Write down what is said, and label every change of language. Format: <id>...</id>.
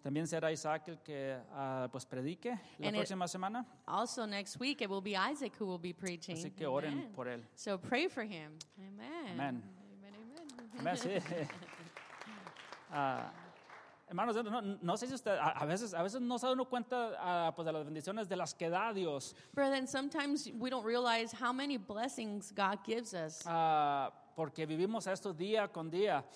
<es>También será Isaac el que pues predique la próxima semana.</es> <en>Also next week it will be Isaac who will be preaching.</en> <es>Así que oren por él.</es> <en>So pray for him. Amen. Amen. Amen. Amen.</en> <es>Sí. Hermanos, no sé si usted a veces no se da uno cuenta pues de las bendiciones de las que da Dios.</es> <en>But then sometimes we don't realize how many blessings God gives us.</en> <es>Porque vivimos esto día con día.</es>